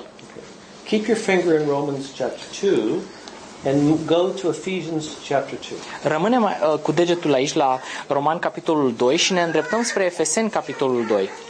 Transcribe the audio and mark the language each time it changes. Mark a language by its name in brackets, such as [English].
[English] Okay. Keep your finger in Romans chapter 2 and go to Ephesians chapter 2. [Romanian] Rămânem cu degetul aici la Roman capitolul 2 și ne îndreptăm spre Efeseni capitolul 2.